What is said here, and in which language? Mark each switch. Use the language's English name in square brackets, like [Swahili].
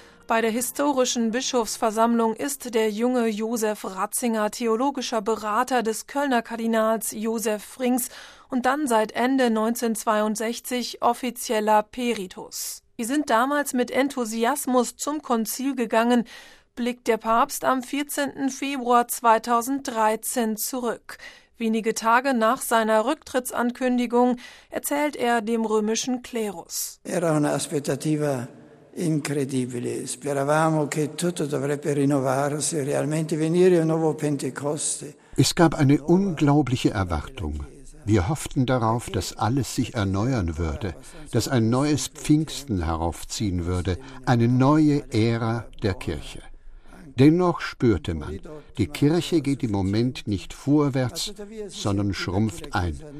[German] Bei der historischen Bischofsversammlung ist der junge Josef Ratzinger theologischer Berater des Kölner Kardinals Josef Frings und dann seit Ende 1962 offizieller Peritus. Wir sind damals mit Enthusiasmus zum Konzil gegangen, blickt der Papst am 14. Februar 2013 zurück. Wenige Tage nach seiner Rücktrittsankündigung erzählt er dem römischen Klerus. [Italian] Era una aspettativa incredibile. Speravamo che tutto dovrebbe rinnovarsi, realmente venire un nuovo Pentecoste. [German] Es gab eine unglaubliche Erwartung. Wir hofften darauf, dass alles sich erneuern würde, dass ein neues Pfingsten heraufziehen würde, eine neue Ära der Kirche. Dennoch spürte man, die Kirche geht im Moment nicht vorwärts, sondern schrumpft ein.